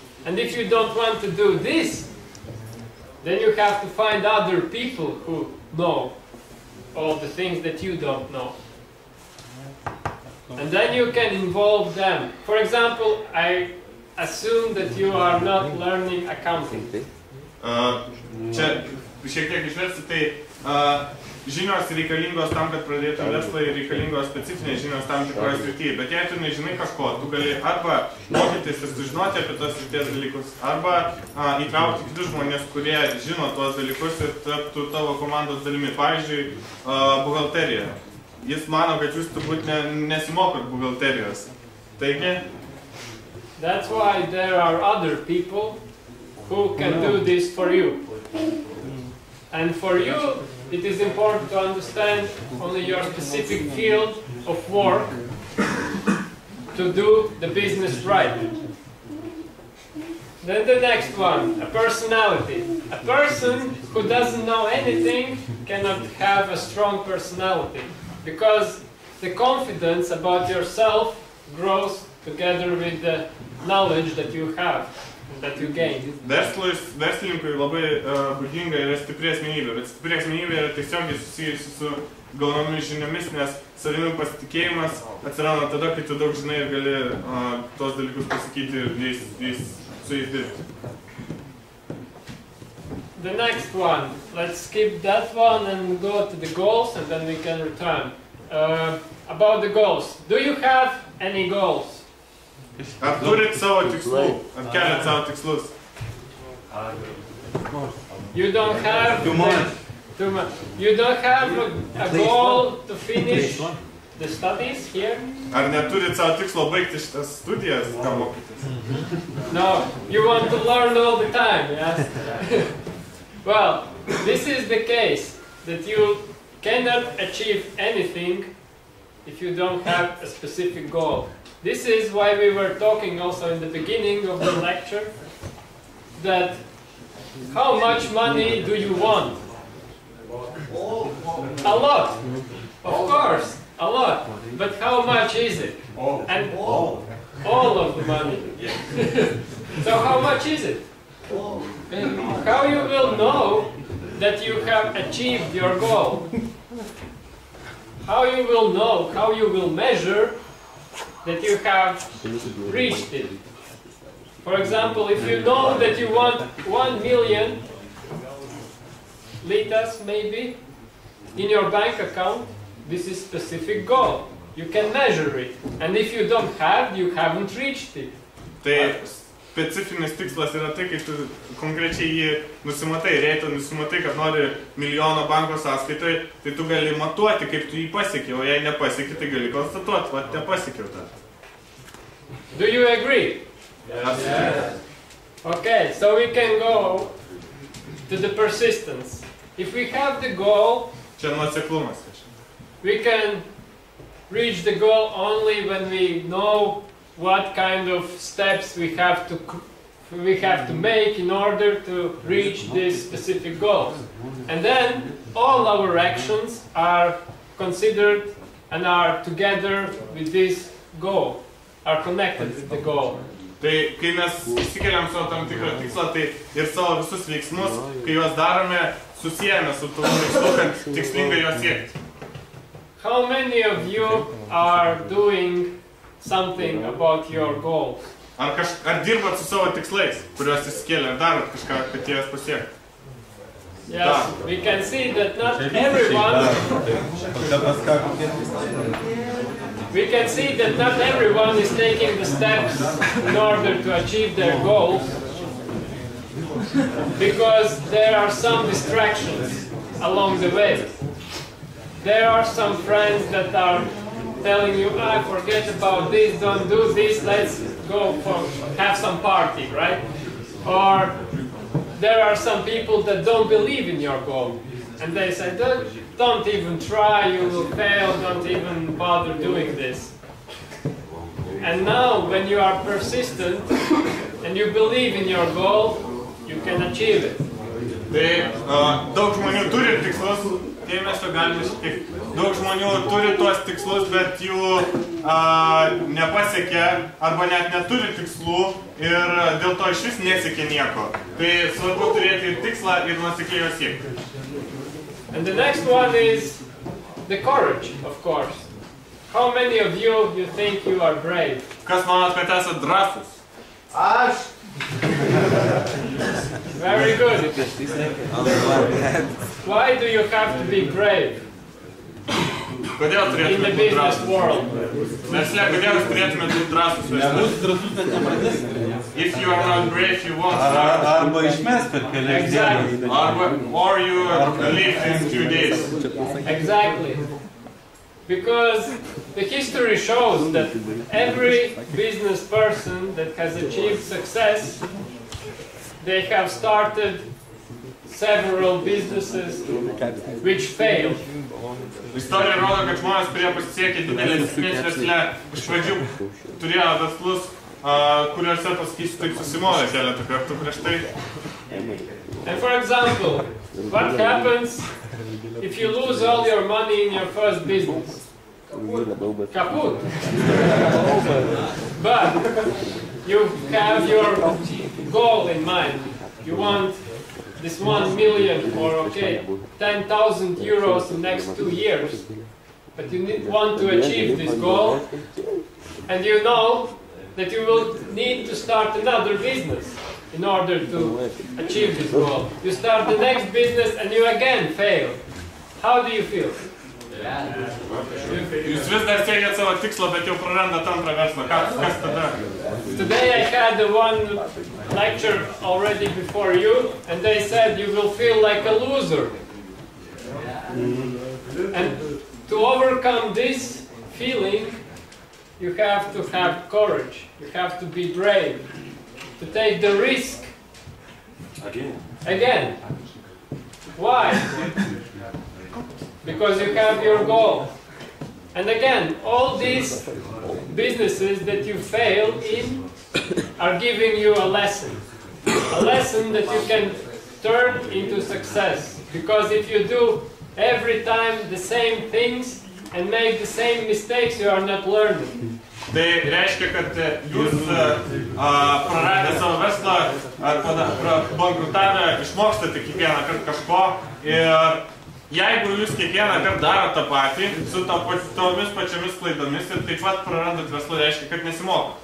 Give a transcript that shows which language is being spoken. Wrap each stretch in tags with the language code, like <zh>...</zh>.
<en>And if you don't want to do this, then you have to find other people who know all the things that you don't know. And then you can involve them. For example, I assume that you are not learning accounting.</en> <lt>Čia šiek tiek išversi, tai žinios reikalingos tam, kad pradėtų verslą, ir reikalingos specifinės žinios tam tikroje srityje. Bet jei tu nežinai kažko, tu gali arba mokytis ir sužinoti apie tos srities dalykus, arba įtraukti kitus žmonės, kurie žino tuos dalykus ir taptų tavo komandos dalimi. Pavyzdžiui, buhalterija. Jis mano, kad jūs turbūt nesimokot buhalterijos. Taigi?</lt> <en>That's why there are other people who can do this for you. And for you, it is important to understand only your specific field of work to do the business right. Then the next one, a personality. A person who doesn't know anything cannot have a strong personality, because the confidence about yourself grows together with the knowledge that you have. That you gain.</en> <lt>Verslininkui labai būdinga yra stipri asmenybė, bet stipri asmenybė yra tiesiogiai susijusi su galvomis žiniomis, nes savimi pasitikėjimas atsirado tada, kai tu daug žinai ir gali tos dalykus pasakyti ir jais su jais dirbti.</lt> <en>The next one. Let's skip that one and go to the goals and then we can return. About the goals. Do you have any goals?</en> <lt>Ar turit savo tikslų? Ar keliat savo tikslus?</lt> <en>You don't have You don't have a goal to finish the studies here?</en> <lt>Ar neturit savo tikslo baigti šitas studijas, ką mokytis?</lt> <en>No, you want to learn all the time, yes? Well, this is the case that you cannot achieve anything if you don't have a specific goal. This is why we were talking also in the beginning of the lecture, that how much money do you want? A lot, of course, a lot. But how much is it? And all of the money. So how much is it? How you will know that you have achieved your goal? How you will know, how you will measure that you have reached it? For example, if you know that you want 1 million liters, maybe, in your bank account, this is a specific goal. You can measure it. And if you don't have, you haven't reached it.</en> <lt>Tai specifinis tikslas yra tai, kai tu konkrečiai jį nusimatai, ir jei tu nusimatai, kad nori milijono banko sąskaitoje, tai tu gali matuoti, kaip tu jį pasiekė, o jei nepasiekė, tai gali konstatuoti, va, nepasiekė tą.</lt> <en>Do you agree? Yes. Okay, so we can go to the persistence. If we have the goal,</en> <lt>čia nuoseklumas.</lt> <en>We can reach the goal only when we know what kind of steps we have to make in order to reach this specific goal. And then all our actions are considered and are together with this goal, are connected with the goal.</en> <lt>Tai kai mes išsikeliam savo tam tikrą tikslą, tai ir savo visus veiksmus, kai juos darome, susijame su tuo veiksmu, kad tikslingai juos siekti.</lt> <en>How many of you are doing something about your goals?</en> <lt>Ar ar dirbat su savo tikslais, kuriuos išsikėlė, ar darot kažką, kad jie jas pasiekti?</lt> <en>Yes, da. We can see that not everyone... We can see that not everyone is taking the steps in order to achieve their goals, because there are some distractions along the way. There are some friends that are telling you, I forget about this, don't do this, let's go for have some party, right? Or there are some people that don't believe in your goal, and they say, don't even try, you will fail, don't even bother doing this. And now, when you are persistent, and you believe in your goal, you can achieve it.</en> <lt>Daug žmonių turi tikslus, dėmesio galima šiek tiek. Daug žmonių turi tuos tikslus, bet jų nepasiekia arba net neturi tikslų ir dėl to iš vis nesiekia nieko. Tai svarbu turėti ir tikslą ir nuosekliai jo siekti.</lt> <en>And the next one is the courage, of course. How many of you, you think you are brave?</en> <lt>Kas manot, kad esat drąsus? Aš!</lt> <en>Very good. Why do you have to be brave?</en> <lt>Kodėl turėtume būti drąsus? Kodėl turėtume būti drąsus? Nebūs drąsus, bet nepradės.</lt> <en>If you are not brave, you won't.</en> <lt>Arba išmest per kelias dienas.</lt> <en>Or you live in 2 days. Exactly. Because the history shows that every business person that has achieved success, they have started several businesses which failed.</en> <lt>Istorija rodo, kad žmonės, kurie pasiekė didelės sėkmės versle, iš pradžių turėjo verslus, kuriuose pasakysiu taip susimovė keletą kartų prieš tai.</lt> <en>And for example, what happens if you lose all your money in your first business?</en> <de>Kaput.</de> <en>But you have your goal in mind. You want this 1 million or, okay, 10,000 euros in the next 2 years. But you want to achieve this goal. And you know that you will need to start another business in order to achieve this goal. You start the next business and you again fail. How do you feel? Yeah.</en> <lt>Jūs vis dar siekiat savo tikslą, bet jau prarandat antrą verslą. Kas tada?</lt> <en>Today I had one lecture already before you, and they said you will feel like a loser. And to overcome this feeling, you have to have courage. You have to be brave. To take the risk. Again. Why? Because you have your goal. And again, all these businesses that you fail in are giving you a lesson. A lesson that you can turn into success. Because if you do every time the same things and make the same mistakes, you are not learning.</en> <lt>Tai reiškia, kad jūs praradę savo verslą ar bankrutavę išmokstate kiekvieną kartą kažko ir jeigu jūs kiekvieną kartą darot tą patį su tomis pačiomis klaidomis ir taip pat prarandot verslą, reiškia, kad nesimoka.</lt>